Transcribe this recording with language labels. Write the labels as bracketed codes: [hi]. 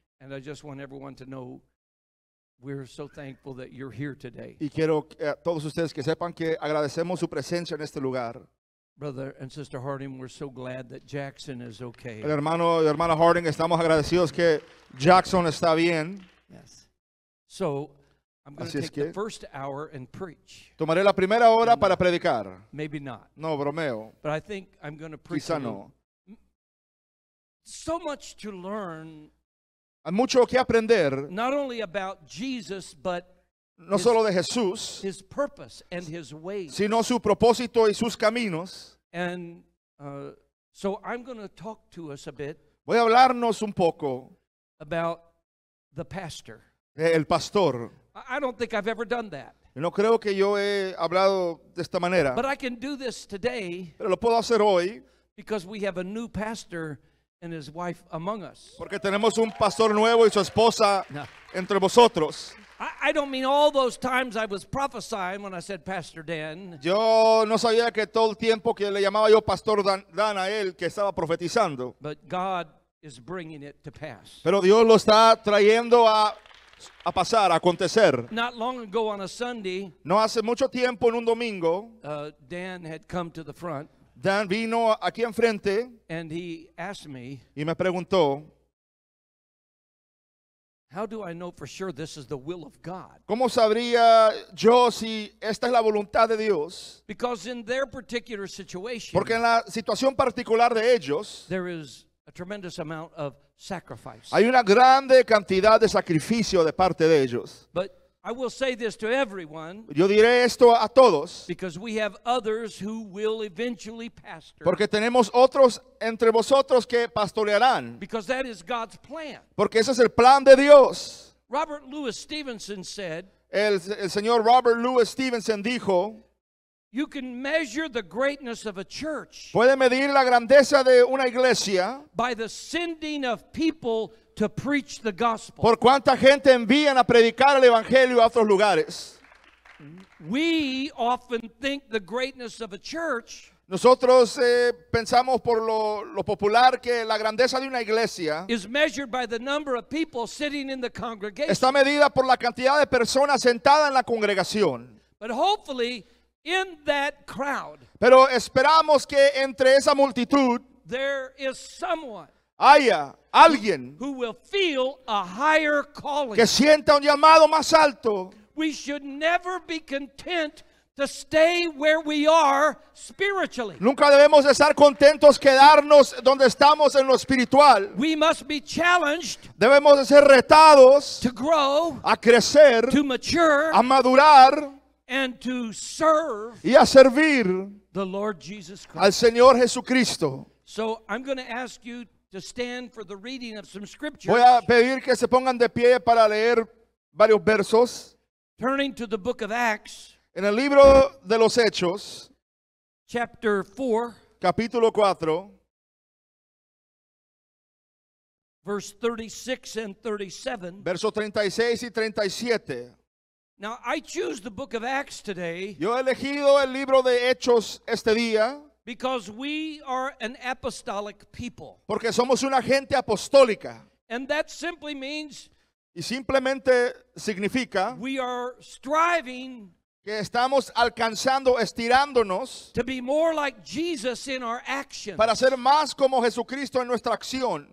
[en] And I just want everyone to know we're so thankful that you're here today. [es] Y quiero a todos ustedes que sepan que agradecemos su presencia en este lugar. [en] Brother and Sister Harding, we're so glad that Jackson is okay. [es] El hermano y hermana Harding, estamos agradecidos que Jackson está bien. [en] Yes. So, I'm going to take the first hour and preach. [es] Tomaré la primera hora para predicar. [en] Maybe not. [es] No, bromeo. [en] But I think I'm going to preach. [es] Quizá no. [en] So much to learn. [es] Hay mucho que aprender. [en] Not only about Jesus, but [es] no solo de Jesús, [en] his purpose and his ways. [es] Sino su propósito y sus caminos. [en] And so I'm going to talk to us a bit. [es] Voy a hablarnos un poco. [en] About the pastor. [es] El pastor. [en] I don't think I've ever done that. [es] No creo que yo he hablado de esta manera. [en] But I can do this today. [es] Pero lo puedo hacer hoy. [en] Because we have a new pastor and his wife among us. [es] Porque tenemos un pastor nuevo y su esposa entre vosotros. [en] I don't mean all those times I was prophesying when I said Pastor Dan. [es] Yo no sabía que todo el tiempo que le llamaba yo Pastor Dan a él que estaba profetizando. [en] But God is bringing it to pass. [es] Pero Dios lo está trayendo a pasar, a acontecer. [en] Not long ago on a Sunday. [es] No hace mucho tiempo en un domingo. [en] Dan had come to the front. [es] Dan vino aquí enfrente. [en] And he asked me. [es] Y me preguntó. [en] How do I know for sure this is the will of God? [es] ¿Cómo sabría yo si esta es la voluntad de Dios? [en] Because in their particular situation, [es] porque en la situación particular de ellos, [en] there is a tremendous amount of sacrifice. [es] Hay una grande cantidad de sacrificio de parte de ellos. [en] But I will say this to everyone. [es] Yo diré esto a todos. [en] Because we have others who will eventually pastor. [es] Porque tenemos otros entre vosotros que pastorearán. [en] Because that is God's plan. [es] Porque ese es el plan de Dios. [en] Robert Louis Stevenson said. [es] El señor Robert Louis Stevenson dijo. [en] You can measure the greatness of a church. [es] Puede medir la grandeza de una iglesia. [en] By the sending of people to preach the gospel. [es] Por cuánta gente envían a predicar el evangelio a otros lugares. [en] We often think the greatness of a church. [es] Nosotros pensamos por lo popular que la grandeza de una iglesia [en] is measured by the number of people sitting in the congregation. [es] Está medida por la cantidad de personas sentadas en la congregación. [en] But hopefully in that crowd. [es] Pero esperamos que entre esa multitud [en] there is someone. [es] Haya alguien [en] who will feel a higher calling. [es] Que sienta un llamado más alto. [en] We should never be content to stay where we are spiritually. [es] Nunca debemos estar contentos quedarnos donde estamos en lo espiritual. [en] We must be challenged. [es] Debemos de ser retados. [en] To grow. [es] A crecer. [en] To mature. [es] A madurar. [en] And to serve. [es] Y a servir. [en] The Lord Jesus Christ. [es] Al Señor Jesucristo. [en] So I'm going to ask you to stand for the reading of some scriptures. [es] Voy a pedir que se pongan de pie para leer varios versos. [en] Turning to the book of Acts. [es] En el libro de los Hechos. [en] Chapter 4. [es] Capítulo 4. [en] Verse 36 and 37. [es] Verso 36 y 37. [en] Now I choose the book of Acts today. [es] Yo he elegido el libro de Hechos este día. [en] Because we are an apostolic people. [es] Porque somos una gente apostólica. [en] And that simply means. [es] Y simplemente significa. [en] We are striving. [es] Que estamos alcanzando, estirándonos. [en] To be more like Jesus in our actions. [es] Para ser más como Jesucristo en nuestra acción.